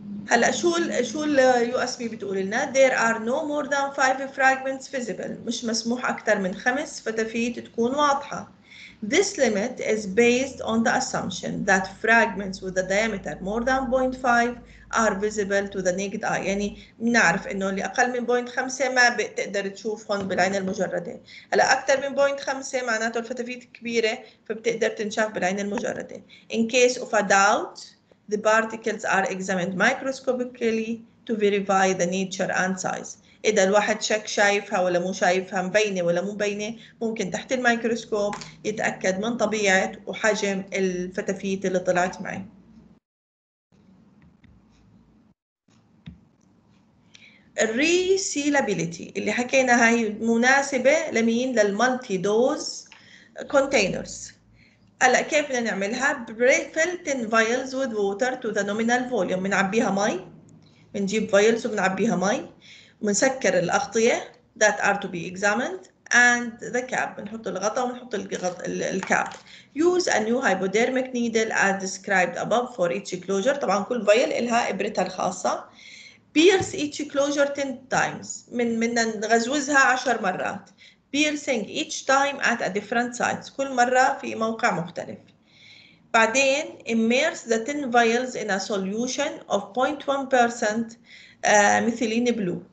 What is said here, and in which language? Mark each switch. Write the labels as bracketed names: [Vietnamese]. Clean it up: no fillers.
[Arabic] هلا شو ال USB بتقول لنا؟ [English] There are no more than 5 fragments visible. [Arabic] مش مسموح أكثر من 5 فتافيت تكون واضحة. [English] This limit is based on the assumption that fragments with a diameter more than 0.5 are visible to the naked eye. [Arabic] يعني بنعرف انه اللي اقل من 0.5 ما بتقدر تشوفهم بالعين المجرده. هلا اكثر من 0.5 معناته الفتافيت كبيره فبتقدر تنشاف بالعين المجرده. [English] In case of a doubt, the particles are examined microscopically to verify the nature and size. [Arabic] إذا الواحد شك شايفها ولا مو شايفها، مبينة ولا مو مبينة، ممكن تحت الميكروسكوب يتأكد من طبيعة وحجم الفتافيت اللي طلعت معي. الريسيلابيليتي اللي حكينا هاي مناسبة لمين؟ للمالتي دوز كونتينرز. هلا كيف بدنا نعملها؟ [English] Prefill 10 vials with water to the nominal volume. [Arabic] بنعبيها مي، بنجيب فايلز وبنعبيها مي، منسكر الأغطية [English] that are to be examined and the cap. [Arabic] بنحط الغطاء ونحط الكاب. [English] Use a new hypodermic needle as described above for each closure. [Arabic] طبعا كل فايل إلها إبرتها الخاصة. [English] Pierce each closure 10 times. [Arabic] من نغزوزها 10 مرات. [English] Piercing each time at a different site. [Arabic] كل مرة في موقع مختلف. [English] بعدين immerse the 10 vials in a solution of 0.1% methylene blue.